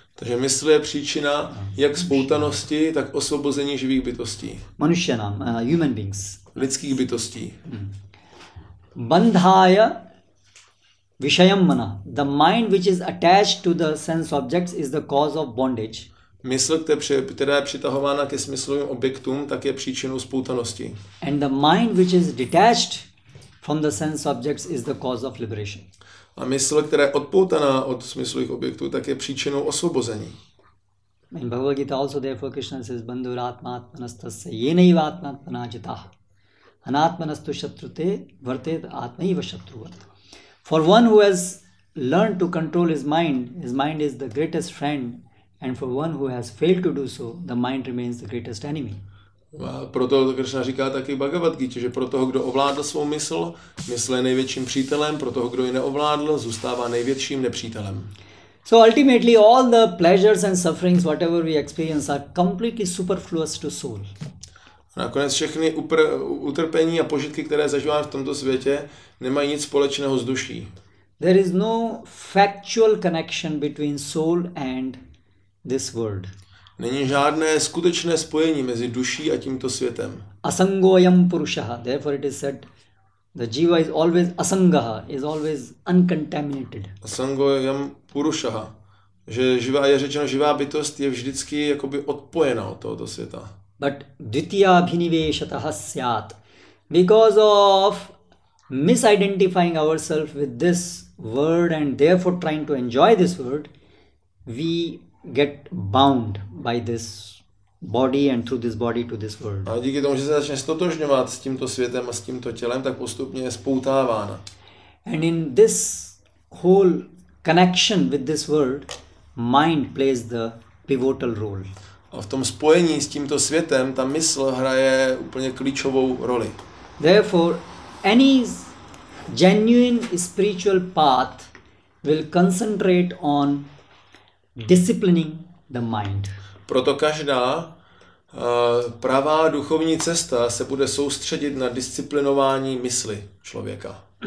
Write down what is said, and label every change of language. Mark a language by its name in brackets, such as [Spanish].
[Czech] Takže mysl je příčina jak spoutanosti, tak osvobození živých bytostí. [English] Manushyanam, human beings. [Czech] Lidských bytostí. [Sanskrit] Bandhaya vishayam mana. [English] The mind which is attached to the sense objects is the cause of bondage. [Czech] Mysl, která je přitahována ke smyslovým objektům, tak je příčinou spoutanosti. [English] And the mind which is detached from the sense objects is the cause of liberation. [Czech] A mysl, která je odpoutaná od smyslových objektů, tak je příčinou osvobození. [English] In Bhagavad Gita also therefore Krishna says [Sanskrit] bandhuratmaatmanastasya yenaivaatmaatmanajitah anatmanastu shatrute vartet atmaiva shatruvat. [English] For one who has learned to control his mind is the greatest friend, and for one who has failed to do so, the mind remains the greatest enemy. [Czech] A proto Krishna říká taky v Bhagavad Gita, že pro toho, kdo ovládl svou mysl, mysl je největším přítelem, pro toho, kdo ji neovládl, zůstává největším nepřítelem. [English] So ultimately all the pleasures and sufferings, whatever we experience, are completely superfluous to soul. [Czech] A nakonec všechny utrpení a požitky, které zažíváme v tomto světě, nemají nic společného s duší. [English] There is no factual connection between soul and this world. [Czech] Není žádné skutečné spojení mezi duší a tímto světem. [Sanskrit] Asangoyam purushah. [English] Therefore it is said the jiva is always asangah, is always uncontaminated. [Sanskrit] Asangoyam purushah. [Czech] Že jiva je řečeno, živá bytost je vždycky jakoby odpojena od tohoto světa. [Sanskrit] But dvitiya bhinivesha tah syat. [English] because of misidentifying ourselves with this world and therefore trying to enjoy this world, we get bound by this body and through this body to this world. [Czech] A díky tomu, že se začne stotožňovat s tímto světem a s tímto tělem, tak postupně je spoutávána. [English] And in this whole connection with this world, mind plays the pivotal role. [Czech] A v tom spojení s tímto světem ta mysl hraje úplně klíčovou roli. [English] Therefore, any genuine spiritual path will concentrate on disciplining the mind. [Czech] Proto každá pravá duchovní cesta se bude soustředit na disciplinování mysli člověka.